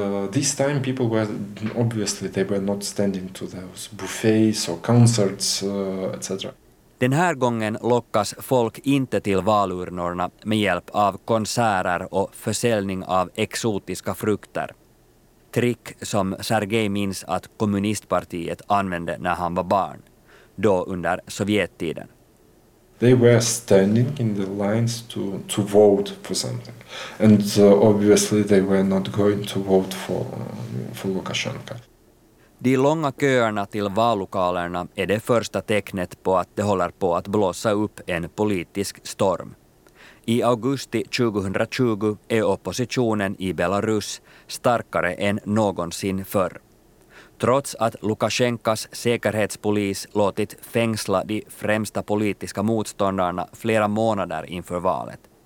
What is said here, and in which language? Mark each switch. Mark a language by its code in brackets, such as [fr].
[en] This time people were obviously they were not standing to those buffets or concerts etc. [sv] Den här gången lockas folk inte till valurnorna med hjälp av konserter och försäljning av exotiska frukter. Trick som Sergej minns att kommunistpartiet använde när han var barn, då under sovjettiden. [en] They were standing in the lines to vote for something. And obviously they were not going to vote for Lukashenko. [sv] De långa köerna till vallokalerna är det första tecknet på att det håller på att blåsa upp en politisk storm. I augusti 2020 är oppositionen i Belarus starkare än någonsin förr. Trots att Lukashenkas säkerhetspolis låtit fängsla de främsta politiska motståndarna flera månader inför valet.